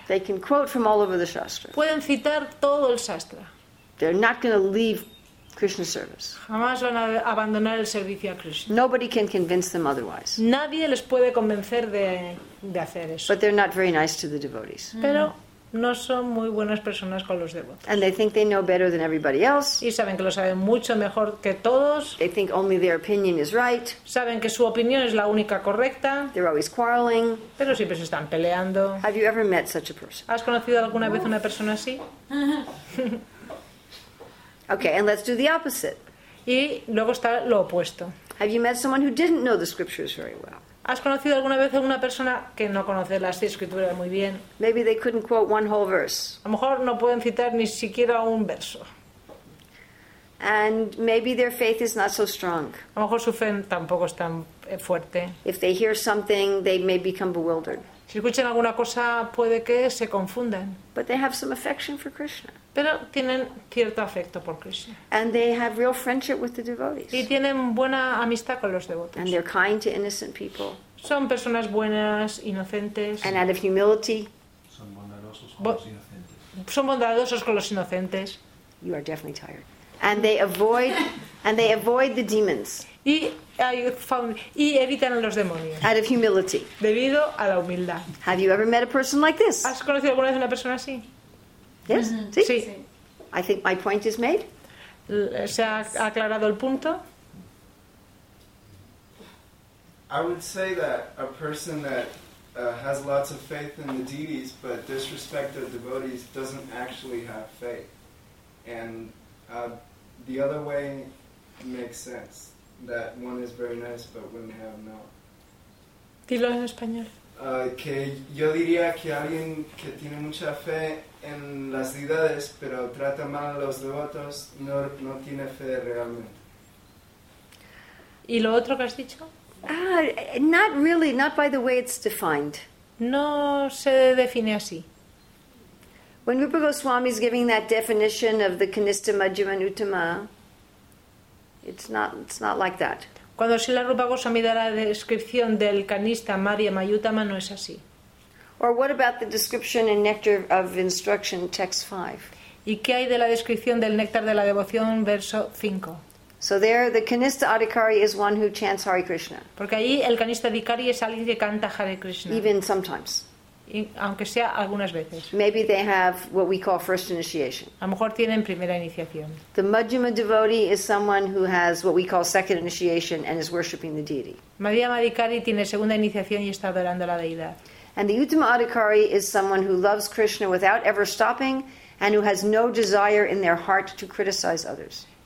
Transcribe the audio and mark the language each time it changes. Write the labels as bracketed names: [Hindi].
[English] They can quote from all over the Shastra. [Spanish] Pueden citar todo el Shastra. [English] They're not going to leave Krishna service. [Spanish] Jamás van a abandonar el servicio a Krishna. [English] Nobody can convince them otherwise. [Spanish] Nadie les puede convencer de hacer eso. [English] But they're not very nice to the devotees. [Spanish] Pero no son muy buenas personas con los devotos. [English] And they think they know better than everybody else. [Spanish] Y saben que lo saben mucho mejor que todos. [English] They think only their opinion is right. [Spanish] Saben que su opinión es la única correcta. [English] They're always quarreling. [Spanish] Pero siempre se están peleando. [English] Have you ever met such a person? [Spanish] ¿Has conocido alguna vez una persona así? [English] Okay, and let's do the opposite. [Spanish] Y luego está lo opuesto. [English] Have you met someone who didn't know the scriptures very well? [Spanish] ¿Has conocido alguna vez a una persona que no conoce las escrituras muy bien? [English] Maybe they couldn't quote one whole verse. [Spanish] A lo mejor no pueden citar ni siquiera un verso. [English] And maybe their faith is not so strong. [Spanish] A lo mejor su fe tampoco es tan fuerte. [English] If they hear something, they may become bewildered. [Spanish] Si escuchan alguna cosa, puede que se confundan. [English] But they have some affection for Krishna. [Spanish] Pero tienen cierto afecto por Krishna. [English] And they have real friendship with the devotees. [Spanish] Y tienen buena amistad con los devotos. [English] And they're kind to innocent people. [Spanish] Son personas buenas, inocentes. [English] And out of humility. [Spanish] Son bondadosos con los inocentes. Son bondadosos con los inocentes. [English] You are definitely tired. And they avoid and they avoid the demons. [Spanish] Y evitan a los demonios. [English] Out of humility. [Spanish] Debido a la humildad. [English] Have you ever met a person like this? [Spanish] ¿Has conocido alguna vez una persona así? [English] Yes. Mm-hmm. [Spanish] Sí. [English] I think my point is made. [Spanish] ¿Se ha aclarado el punto? [English] I would say that a person that has lots of faith in the deities but disrespect the devotees doesn't actually have faith. And the other way makes sense. That one is very nice but wouldn't have no. [Spanish] Dilo en español. Que yo diría que alguien que tiene mucha fe en las deidades pero trata mal a los devotos no tiene fe realmente. ¿Y lo otro que has dicho? [English] Not really, not by the way it's defined. [Spanish] No se define así. [English] When Rupa Goswami is giving that definition of the Kanista Majjhima Uttama, it's not like that. [Spanish] Cuando Srila Rupa Goswami da la descripción del Kanista Majjhima Uttama, no es así. [English] Or what about the description in Nectar of Instruction, text 5? [Spanish] ¿Y qué hay de la descripción del Néctar de la Devoción, verso 5? [English] So there, the Kanista Adhikari is one who chants Hare Krishna. [Spanish] Porque ahí el Kanista Adhikari es alguien que canta Hare Krishna. [English] Even sometimes. [Spanish] Aunque sea algunas veces. [English] Maybe they have what we call first initiation. [Spanish] A lo mejor tienen primera iniciación. [English] The Majjhima devotee is someone who has what we call second initiation and is worshipping the deity. [Spanish] Majjhima Adhikari tiene segunda iniciación y está adorando a la deidad. [English] And the Uttama Adhikari is someone who loves Krishna without ever stopping and who has no desire in their heart to criticize others.